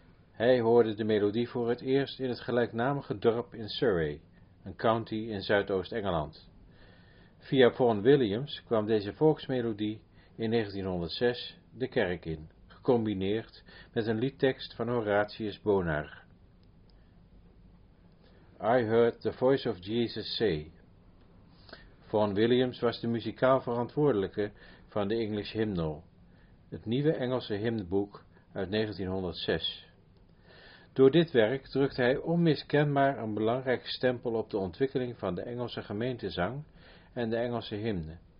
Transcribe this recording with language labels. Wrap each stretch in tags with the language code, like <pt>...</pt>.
<nl>Hij hoorde de melodie voor het eerst in het gelijknamige dorp in Surrey, een county in Zuidoost-Engeland. Via Vaughan Williams kwam deze volksmelodie in 1906 de kerk in, gecombineerd met een liedtekst van Horatius Bonar.</nl> <en>I heard the voice of Jesus say.</en> <nl>Vaughan Williams was de muzikaal verantwoordelijke van de English Hymnal, het nieuwe Engelse hymnboek uit 1906. Door dit werk drukte hij onmiskenbaar een belangrijke stempel op de ontwikkeling van de Engelse gemeentezang en de Engelse hymne.</nl>